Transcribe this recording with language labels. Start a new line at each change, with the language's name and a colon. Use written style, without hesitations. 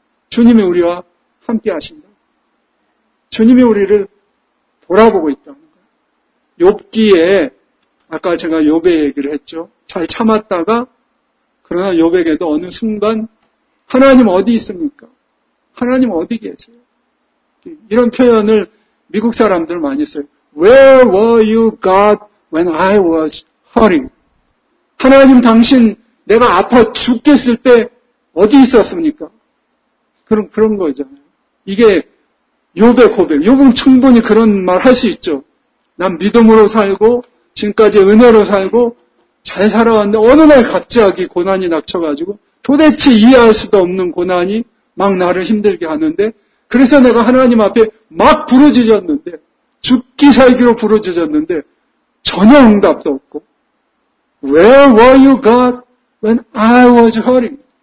Korean: 주님이 우리와 함께 하신다. 주님이 우리를 돌아보고 있다는 거예요. 욥기에 아까 제가 욥의 얘기를 했죠. 잘 참았다가 그러나 욥에게도 어느 순간 하나님 어디 있습니까? 하나님 어디 계세요? 이런 표현을 미국 사람들 많이 써요.
English: Where were you God when I was hurting?
Korean: 하나님 당신 내가 아파 죽겠을 때 어디 있었습니까? 그런 거잖아요. 이게 욥의 고백. 욥은 충분히 그런 말 할 수 있죠. 난 믿음으로 살고 지금까지 은혜로 살고 잘 살아왔는데 어느 날 갑자기 고난이 닥쳐가지고 도대체 이해할 수도 없는 고난이 막 나를 힘들게 하는데 그래서 내가 하나님 앞에 막 부르짖었는데 죽기 살기로 부르짖었는데 전혀 응답도 없고
English: Where were you God when I was hurting?